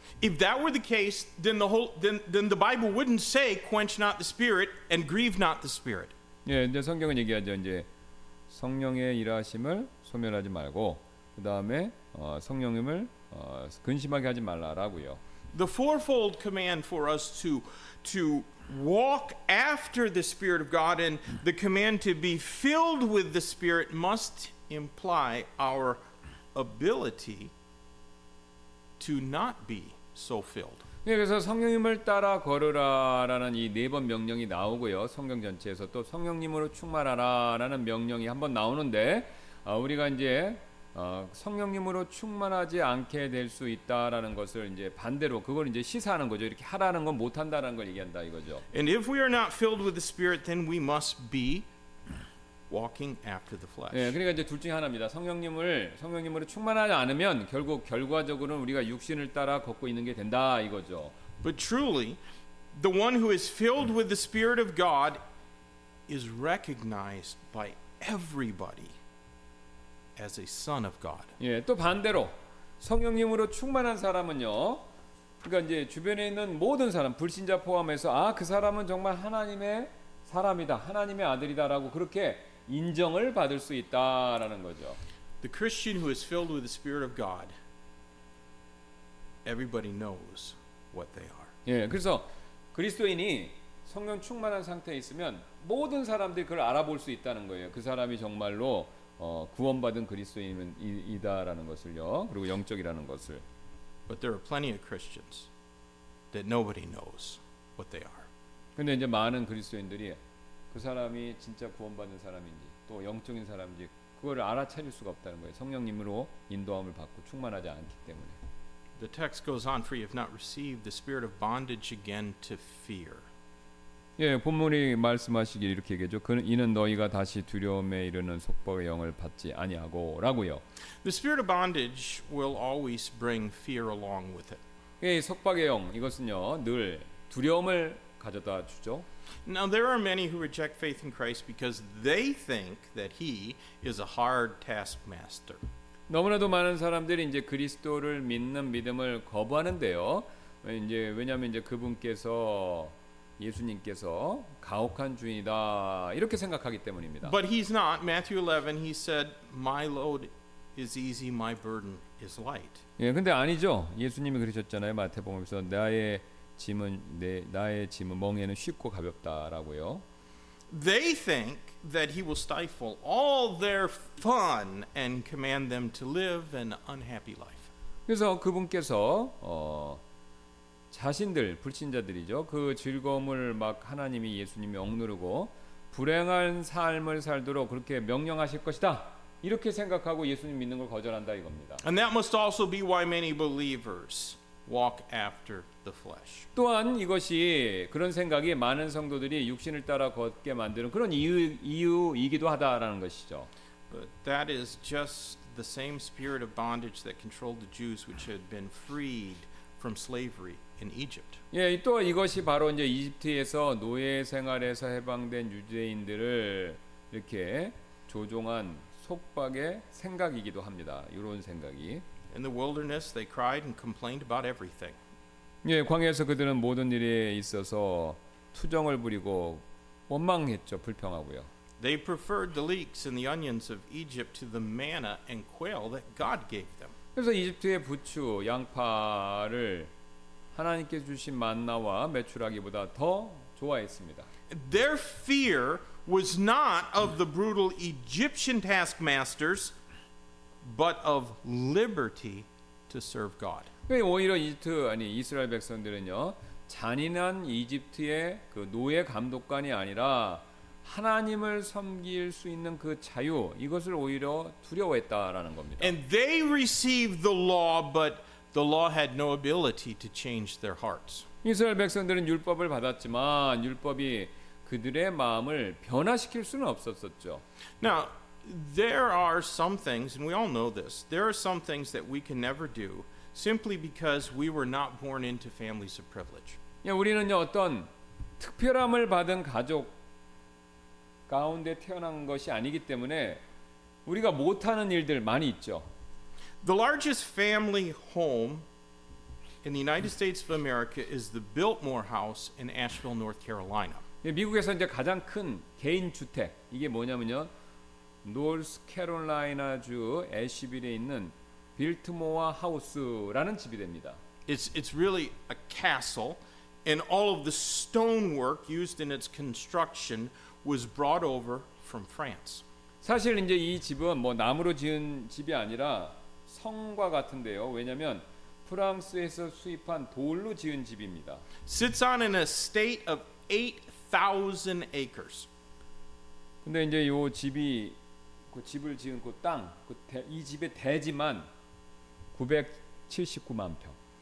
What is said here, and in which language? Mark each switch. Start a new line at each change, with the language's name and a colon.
English: If that were the case, then the Bible wouldn't say quench not the spirit and grieve not the spirit.
Korean: 예, 이제 성경은 얘기하죠. 이제 성령의 일하심을 소멸하지 말고 그 다음에 성령님을 근심하게 하지 말라라고요.
English: The fourfold command for us to walk after the Spirit of God and the command to be filled with the Spirit must imply our ability to not be so filled.
Korean: 예, 그래서 성령님을 따라 걸으라라는 이 네 번 명령이 나오고요. 성경 전체에서 또 성령님으로 충만하라라는 명령이 한번 나오는데 우리가 이제 성령님으로 충만하지 않게 될 수 있다라는 것을 이제 반대로 그걸 이제 시사하는 거죠. 이렇게 하라는 건 못 한다라는 걸 얘기한다 이거죠.
English: And if we are not filled with the Spirit then we must be walking after the flesh.
Korean: 예, 그러니까 이제 둘 중에 하나입니다. 성령님으로 충만하지 않으면 결과적으로는 우리가 육신을 따라 걷고 있는 게 된다 이거죠.
English: But truly the one who is filled with the Spirit of God is recognized by everybody as a son of God.
Korean: 예, 또 반대로 성령님으로 충만한 사람은요. 그러니까 이제 주변에 있는 모든 사람 불신자 포함해서 아, 그 사람은 정말 하나님의 사람이다. 하나님의 아들이다라고 그렇게 인정을 받을 수 있다라는 거죠.
English: The Christian who is filled with the Spirit of God everybody knows what they are.
Korean: 예, 그래서 그리스도인이 성령 충만한 상태에 있으면 모든 사람들이 그걸 알아볼 수 있다는 거예요. 그 사람이 정말로 구원받은 그리스도인이다라는 것을요. 그리고 영적이라는 것을.
English: But there are plenty of Christians that nobody knows what they are.
Korean: 근데 이제 많은 그리스도인들이 그 사람이 진짜 구원받은 사람인지 또 영적인 사람인지 그거를 알아차릴 수가 없다는 거예요. 성령님으로 인도함을 받고 충만하지 않기 때문에.
English: The text goes on for you have not received the spirit of bondage again to fear.
Korean: 예, 본문이 말씀하시길 이렇게 얘기하죠. 그는 이는 너희가 다시 두려움에 이르는 속박의 영을 받지 아니하고라고요.
English: The spirit of bondage will always bring fear along with it.
Korean: 예, 속박의 영 이것은요 늘 두려움을 가져다 주죠.
English: Now there are many who reject faith in Christ because they think that he is a hard taskmaster.
Korean: 너무나도 많은 사람들이 이제 그리스도를 믿는 믿음을 거부하는데요. 이제 왜냐하면 이제 그분께서 예수님께서 가혹한 주인이다 이렇게 생각하기 때문입니다.
English: But he's not. Matthew 11, he said, "My load is easy, my burden is light."
Korean: 예, 근데 아니죠. 예수님이 그러셨잖아요. 마태복음에서 나의 짐은 멍에는 쉽고 가볍다라고요.
English: They think that he will stifle all their fun and command them to live an unhappy life.
Korean: 그래서 그분께서 자신들 불신자들이죠. 그 즐거움을 막 하나님이 예수님이 억누르고 불행한 삶을 살도록 그렇게 명령하실 것이다. 이렇게 생각하고 예수님 믿는 걸 거절한다 이겁니다.
English: And that must also be why many believers walk after the flesh.
Korean: 또한 이것이 그런 생각이 많은 성도들이 육신을 따라 걷게 만드는 그런 이유이기도 하다라는 것이죠.
English: But that is just the same spirit of bondage that controlled the Jews which had been freed from slavery in Egypt.
Korean: 예, 또 이것이 바로 이제 이집트에서 노예 생활에서 해방된 유대인들을 이렇게 조종한 속박의 생각이기도 합니다. 이런 생각이.
English: In the wilderness, they cried and complained about everything.
Korean: 예, 광야에서 그들은 모든 일에 있어서 투정을 부리고 원망했죠, 불평하고요.
English: They preferred the leeks and the onions of Egypt to the manna and quail that God gave them.
Korean: 그래서 이집트의 부추, 양파를 하나님께 주신 만나와 메추라기보다 더 좋아했습니다.
English: Their fear was not of the brutal Egyptian taskmasters, but of liberty to serve God.
Korean: 오히려 이집트 아니 이스라엘 백성들은요 잔인한 이집트의 그 노예 감독관이 아니라 하나님을 섬길 수 있는 그 자유 이것을 오히려 두려워했다라는 겁니다.
English: And they received the law, but the law had no ability to change their hearts.
Korean: 이스라엘 백성들은 율법을 받았지만 율법이 그들의 마음을 변화시킬 수는 없었었죠.
English: Now there are some things, and we all know this. There are some things that we can never do simply because we were not born into families of privilege.
Korean: 예, 우리는요 어떤 특별함을 받은 가족 가운데 태어난 것이 아니기 때문에 우리가 못하는 일들 많이 있죠.
English: The largest family home in the United States of America is the Biltmore House in Asheville, North Carolina.
Korean: 예, 미국에서 이제 가장 큰 개인 주택 이게 뭐냐면요, 노스 캐롤라이나주 애시빌에 있는 빌트모어 하우스라는 집이 됩니다.
English: It's really a castle, and all of the stonework used in its construction was brought over from France.
Korean: 사실 이제 이 집은 뭐 나무로 지은 집이 아니라 성과 같은데요. 왜냐하면 프랑스에서 수입한 돌로 지은 집입니다.
English: Sits on an estate of 8,000 acres.
Korean: 근데 이제 요 집이 그 집을 지은 그 땅, 그 이 집의 대지만 979만 평.